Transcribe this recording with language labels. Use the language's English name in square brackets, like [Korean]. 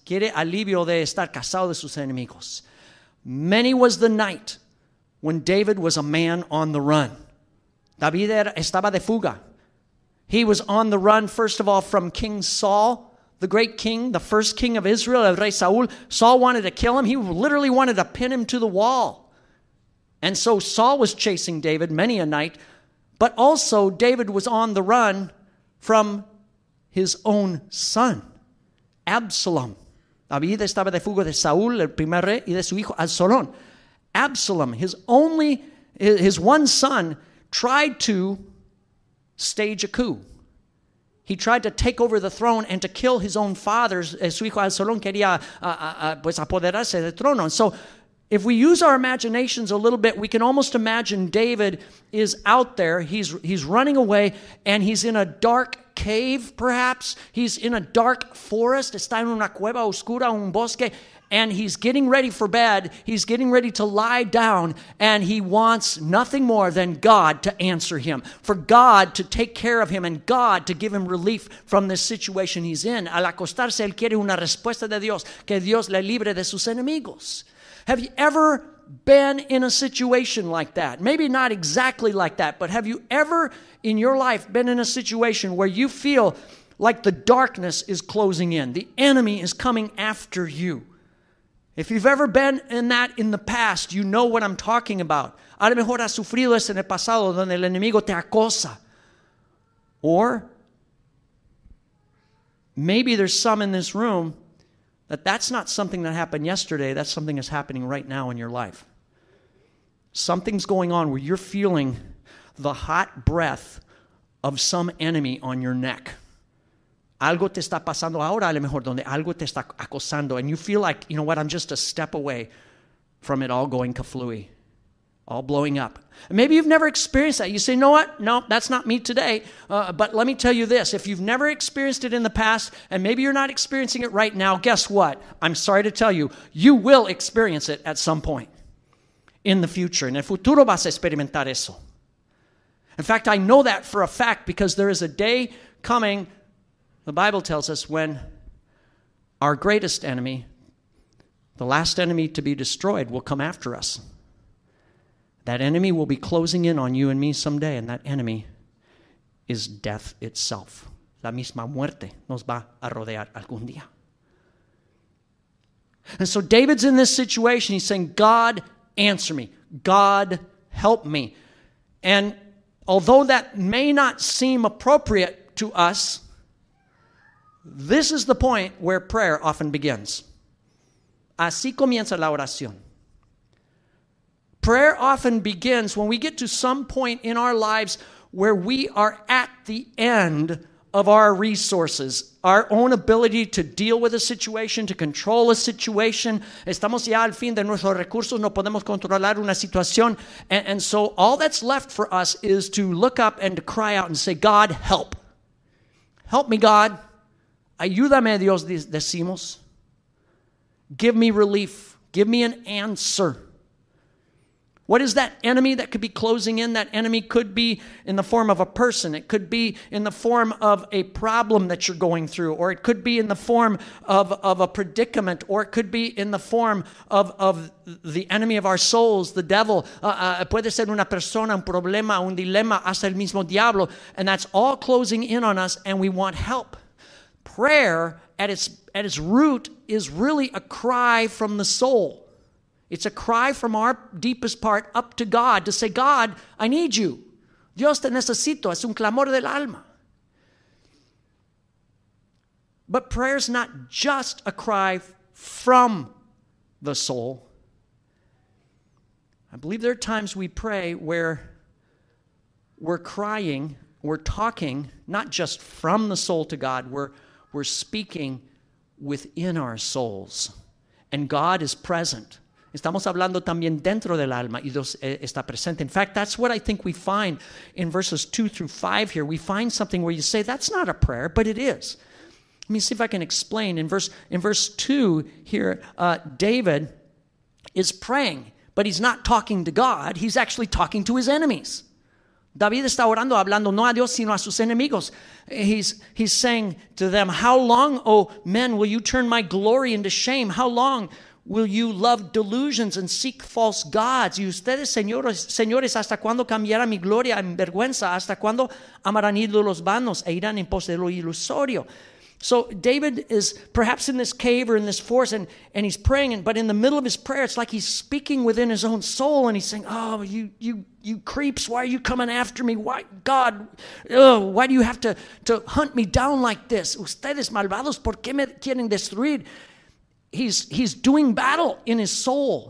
[Spanish] Quiere alivio de estar cazado de sus enemigos. [English] Many was the night when David was a man on the run. [Spanish] David estaba de fuga. [English] He was on the run, first of all, from King Saul, the great king, the first king of Israel, [Spanish] El Rey Saul. [English] Saul wanted to kill him. He literally wanted to pin him to the wall. And so Saul was chasing David many a night. But also David was on the run from his own son, Absalom. [Spanish] David estaba de fuga de Saul, el primer rey, y de su hijo Absalón. [English] Absalom, his one son, tried to stage a coup. He tried to take over the throne and to kill his own father. [Spanish] Su hijo Absalón quería apoderarse del trono. [English] So if we use our imaginations a little bit, we can almost imagine David is out there. He's running away, and he's in a dark cave, perhaps. He's in a dark forest. [Spanish] Está en una cueva oscura, un bosque. [English] And he's getting ready for bed. He's getting ready to lie down. And he wants nothing more than God to answer him. For God to take care of him and God to give him relief from this situation he's in. [Spanish] Al acostarse, él quiere una respuesta de Dios. Que Dios le libre de sus enemigos. [English] Have you ever been in a situation like that? Maybe not exactly like that. But have you ever in your life been in a situation where you feel like the darkness is closing in? The enemy is coming after you. If you've ever been in that in the past, you know what I'm talking about. [Spanish] A lo mejor has sufrido eso en el pasado, donde el enemigo te acosa. [English] Or maybe there's some in this room that's not something that happened yesterday. That's something that's happening right now in your life. Something's going on where you're feeling the hot breath of some enemy on your neck. [Spanish] Algo te está pasando ahora, a lo mejor, donde algo te está acosando. [English] And you feel like, you know what, I'm just a step away from it all going kaflooey, all blowing up. And maybe you've never experienced that. You say, you know what, no, that's not me today. But let me tell you this, if you've never experienced it in the past, and maybe you're not experiencing it right now, guess what? I'm sorry to tell you, you will experience it at some point in the future. [Spanish] En el futuro vas a experimentar eso. [English] In fact, I know that for a fact because there is a day coming. The Bible tells us when our greatest enemy, the last enemy to be destroyed, will come after us. That enemy will be closing in on you and me someday, and that enemy is death itself. [Spanish] La misma muerte nos va a rodear algún día. [English] And so David's in this situation. He's saying, God, answer me. God, help me. And although that may not seem appropriate to us, This is the point where prayer often begins. [Spanish] Así comienza la oración. [English] Prayer often begins when we get to some point in our lives where we are at the end of our resources, our own ability to deal with a situation, to control a situation. [Spanish] Estamos ya al fin de nuestros recursos, no podemos controlar una situación. [English] And so all that's left for us is to look up and to cry out and say, God, help. Help me, God. [Spanish] Ayúdame, Dios, decimos. [English] Give me relief. Give me an answer. What is that enemy that could be closing in? That enemy could be in the form of a person. It could be in the form of a problem that you're going through. Or it could be in the form of a predicament. Or it could be in the form of the enemy of our souls, the devil. Puede ser una persona, un problema, un dilema, hasta el mismo diablo. And that's all closing in on us, and we want help. Prayer, at its root, is really a cry from the soul. It's a cry from our deepest part up to God to say, God, I need you. [Spanish] Dios te necesito. Es un clamor del alma. [English] But prayer is not just a cry from the soul. I believe there are times we pray where we're crying, we're talking, not just from the soul to God, we're speaking within our souls. And God is present. [Spanish] Estamos hablando también dentro del alma y Dios está presente. [English] In fact, that's what I think we find in verses 2 through 5 here. We find something where you say, that's not a prayer, but it is. Let me see if I can explain. In verse 2 here, David is praying, but he's not talking to God. He's actually talking to his enemies. [Spanish] David está orando, hablando no a Dios, sino a sus enemigos. [English] He's saying to them, how long, O men, will you turn my glory into shame? How long will you love delusions and seek false gods? [Spanish] Y ustedes, señores, ¿hasta cuándo cambiará mi gloria en vergüenza? ¿Hasta cuándo amarán ídolos vanos e irán en pos de lo ilusorio? [English] So David is perhaps in this cave or in this forest, and he's praying, but in the middle of his prayer, it's like he's speaking within his own soul, and he's saying, oh, you creeps, why are you coming after me? Why, God, why do you have to hunt me down like this? [Spanish] Ustedes, malvados, ¿por qué me quieren destruir? [English] He's doing battle in his soul.